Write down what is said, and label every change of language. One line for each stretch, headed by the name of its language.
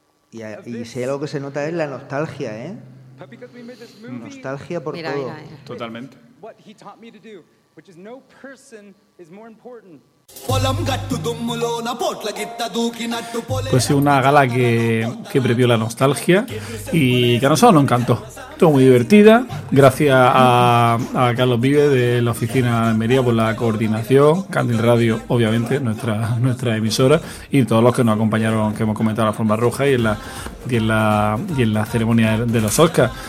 Spanish: Y si hay algo que se nota es la nostalgia, ¿eh? Nostalgia por mira, todo. Mira. Totalmente.
English: What he taught me to do, which is no person is more important.
Spanish: Pues sí, una gala que previó la nostalgia y que a nosotros nos encantó. Estuvo muy divertida, gracias a Carlos Vive de la oficina de Almería por la coordinación, Candil Radio, obviamente, nuestra emisora, y todos los que nos acompañaron, que hemos comentado la forma roja y en la ceremonia de los Oscars.